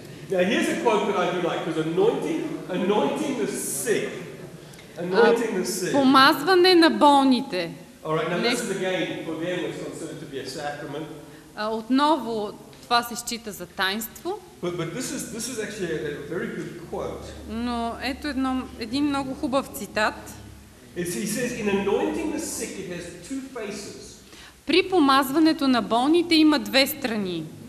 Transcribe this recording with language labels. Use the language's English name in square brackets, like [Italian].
[English] Now here's a quote that I do like, because anointing the sick. Anointing the sick. [Bulgarian] Помазване на болните. [English] All right, now this is again for them it's considered to be a sacrament. [Bulgarian] Отново това се счита за таинство. [English] But this is actually a very good quote. [Bulgarian] Но ето един много хубав цитат. [English] He says, in anointing the sick, it has two faces. [Bulgarian] При помазването на болните има две страни.